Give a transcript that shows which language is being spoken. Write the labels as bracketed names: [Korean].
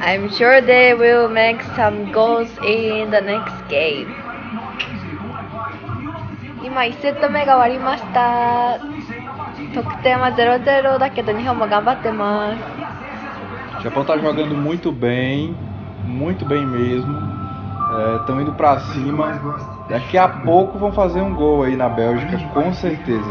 [English] I'm sure they will make some goals in the next game. [Japanese] 今1セット目が終わりました。得点は 0-0 だけど日本も頑張ってます。 [Portuguese] Japão tá jogando muito bem, muito bem mesmo. Estão indo pra cima. Daqui a pouco vão fazer um gol aí na Bélgica, com certeza.